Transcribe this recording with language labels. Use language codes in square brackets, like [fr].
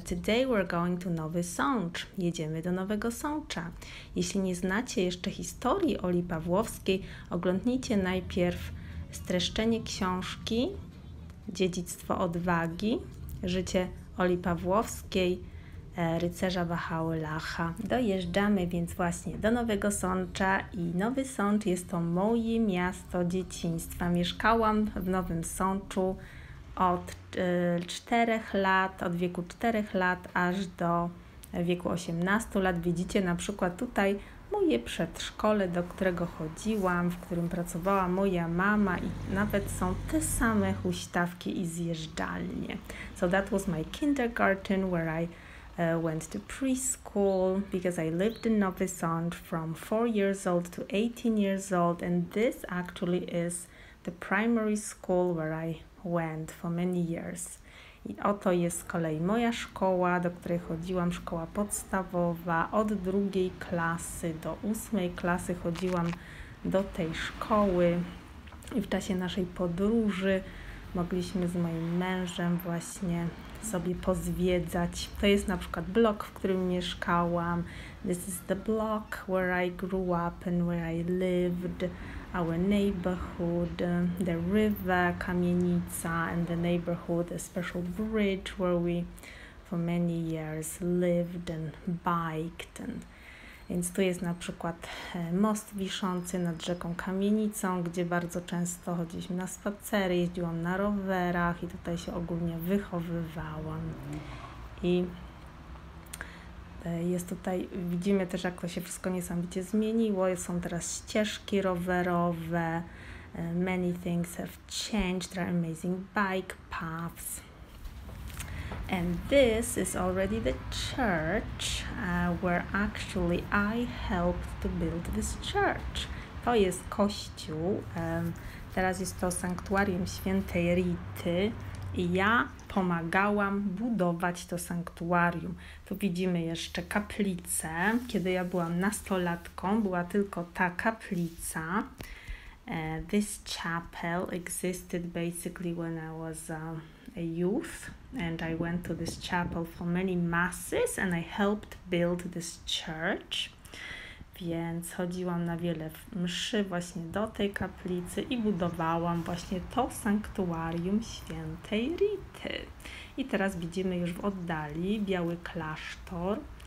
[en] Today we're going to Nowy Sącz. [pl] Jedziemy do Nowego Sącza. Jeśli nie znacie jeszcze historii Oli Pawłowskiej, oglądnijcie najpierw streszczenie książki Dziedzictwo Odwagi, życie Oli Pawłowskiej, rycerza Bahaulacha. Dojeżdżamy więc właśnie do Nowego Sącza i Nowy Sącz jest to moje miasto dzieciństwa. Mieszkałam w Nowym Sączu od 4 lat, od wieku 4 lat aż do wieku 18 lat. Widzicie na przykład tutaj moje przedszkole, do którego chodziłam, w którym pracowała moja mama i nawet są te same huśtawki i zjeżdżalnie. [en] So that was my kindergarten where I went to preschool because I lived in Nowy Sącz from 4 years old to 18 years old, and this actually is the primary school where I went for many years. [pl] I oto jest z kolei moja szkoła, do której chodziłam, szkoła podstawowa. Od drugiej klasy do 8 klasy chodziłam do tej szkoły i w czasie naszej podróży mogliśmy z moim mężem właśnie sobie pozwiedzać. To jest na przykład blok, w którym mieszkałam. [en] This is the block where I grew up and where I lived. Our neighborhood, the river, kamienica, and the neighborhood, a special bridge where we for many years lived and biked. [pl] Więc tu jest na przykład most wiszący nad rzeką Kamienicą, gdzie bardzo często chodziliśmy na spacery, jeździłam na rowerach i tutaj się ogólnie wychowywałam. I jest tutaj, widzimy też, jak to się wszystko niesamowicie zmieniło. Są teraz ścieżki rowerowe, [en] many things have changed, there are amazing bike paths. And this is already the church where actually I helped to build this church. [pl] To jest kościół, teraz jest to sanktuarium świętej Rity i ja pomagałam budować to sanktuarium. Tu widzimy jeszcze kaplicę. Kiedy ja byłam nastolatką, była tylko ta kaplica. [en] This chapel existed basically when I was a youth, and I went to this chapel for many masses and I helped build this church. [pl] Więc chodziłam na wiele mszy właśnie do tej kaplicy i budowałam właśnie to sanktuarium świętej Rity. I teraz widzimy już w oddali biały klasztor.